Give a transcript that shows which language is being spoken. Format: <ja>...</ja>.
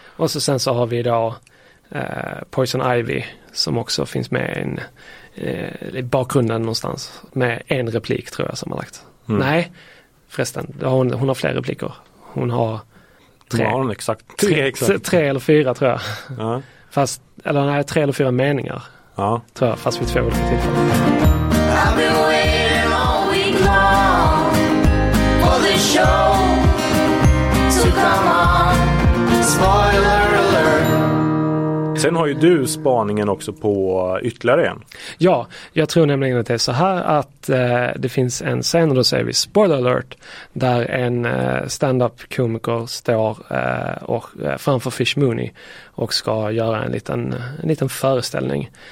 <sv>Och så sen så har vi idag Poison Ivy som också finns med i bakgrunden någonstans med en replik, tror jag, som har lagt. Nej, förresten, hon har fler repliker. Hon har tre. Ja, hon exakt. Tre eller fyra, tror jag. Fast, eller nej, tre eller fyra meningar. Tror jag, fast vi två olika tillfällen.</sv> <en>I've been waiting all week long for this show to come on. Spoiler.</en> <sv>Sen har ju du spaningen också på ytterligare en. Ja, jag tror nämligen att det är så här att det finns en scen, och då säger vi spoiler alert, där en stand-up-komiker står och framför Fish Mooney och ska göra en liten föreställning.</sv>